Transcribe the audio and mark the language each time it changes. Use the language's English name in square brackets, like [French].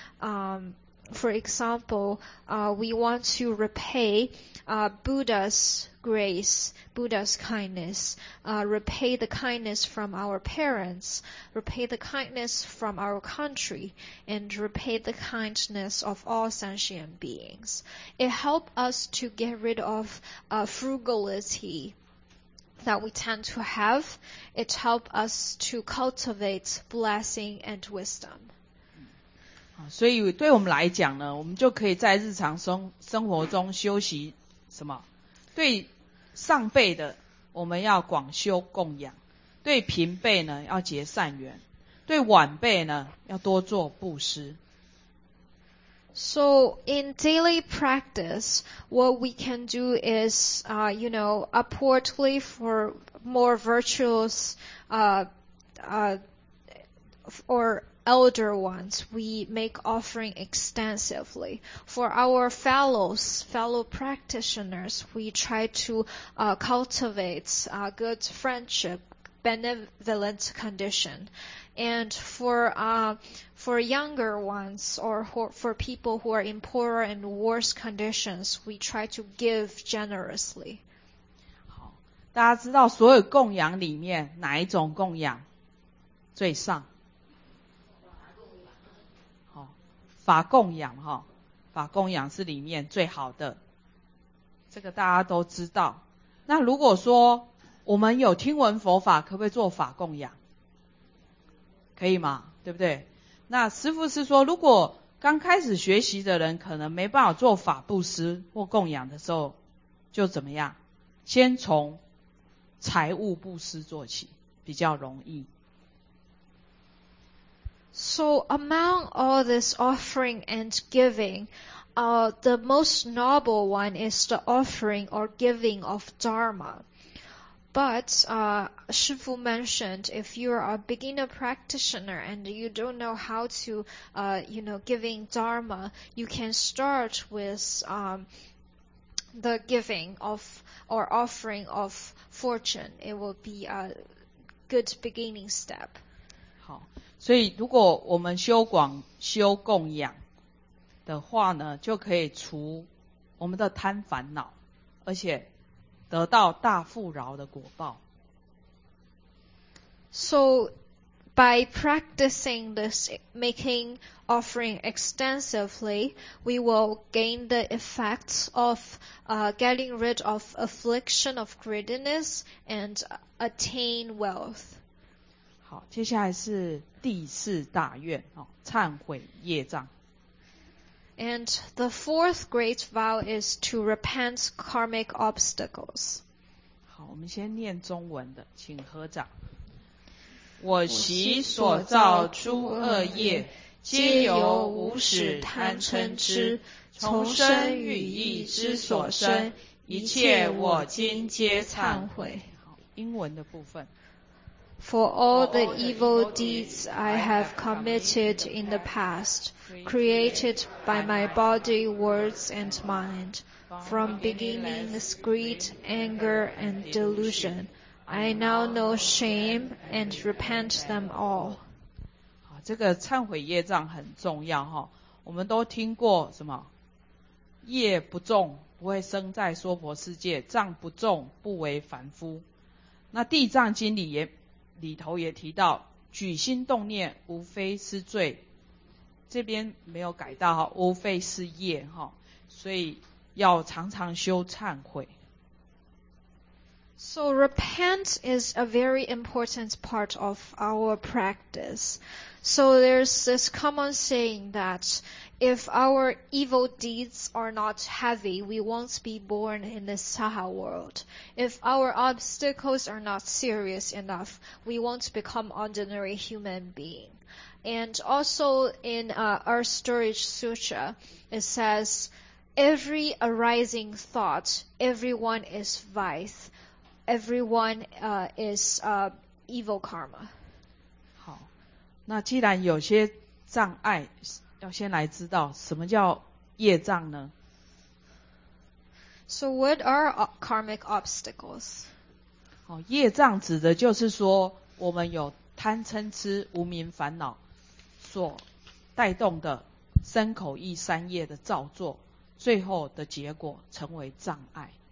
[English] For example, we want to repay Buddha's grace, Buddha's kindness, repay the kindness from our parents, repay the kindness from our country, and repay the kindness of all sentient beings. It helps us to get rid of frugality that we tend to have. It helps us to cultivate blessing and wisdom. [Chinese] 所以对我们来讲呢，我们就可以在日常生活中修习什么？对上辈的我们要广修供养，对平辈呢要结善缘，对晚辈呢要多做布施。 [English] So in daily practice, what we can do is, you know, upwardly for more virtuous or elder ones, we make offering extensively. For our fellow practitioners, we try to cultivate good friendship, benevolent condition. And for younger ones or for people who are in poorer and worse conditions, we try to give generously. [Chinese] 好，大家知道所有供养里面哪一种供养最上？好，法供养哈，法供养是里面最好的，这个大家都知道。那如果说我们有听闻佛法，可不可以做法供养？可以吗？对不对？那师父是说，如果刚开始学习的人可能没办法做法布施或供养的时候，就怎么样？先从财务布施做起，比较容易。 [English] So among all this offering and giving, the most noble one is the offering or giving of Dharma. But, Shi Fu mentioned, if you are a beginner practitioner and you don't know how to, you know, giving Dharma, you can start with, the giving of, or offering of fortune. It will be a good beginning step. [Chinese] 好，所以如果我们修广修供养的话呢，就可以除我们的贪烦恼，而且得到大富饶的果报。 [English] So, by practicing this, making offering extensively, we will gain the effects of getting rid of affliction of greediness and attain wealth. [Chinese] 好，接下来是第四大愿，忏悔业障。 [English] And the fourth great vow is to repent karmic obstacles. [Chinese] 好，我们先念中文的，请合掌。我习所造诸恶业，皆由无始贪嗔痴，从身语意之所生，一切我今皆忏悔。好，英文的部分。 [English] For all the evil deeds I have committed in the past, created by my body, words, and mind, from beginningless greed, anger, and delusion, I now know shame and repent them all. [Chinese] 好，这个忏悔业障很重要哈。我们都听过什么？业不重，不会生在娑婆世界；障不重，不为凡夫。那《地藏经》里头也提到，举心动念无非是罪，这边没有改到，无非是业，所以要常常修忏悔。 [English] So repent is a very important part of our practice. So there's this common saying that if our evil deeds are not heavy, we won't be born in this Saha world. If our obstacles are not serious enough, we won't become ordinary human being. And also in our storage sutra, it says, every arising thought, everyone is vice, everyone is evil karma. [Chinese] 好，那既然有些障碍，要先来知道什么叫业障呢？ [English] So what are karmic obstacles? [Chinese] 哦，业障指的就是说我们有贪嗔痴无明烦恼所带动的身口意三业的造作，最后的结果成为障碍。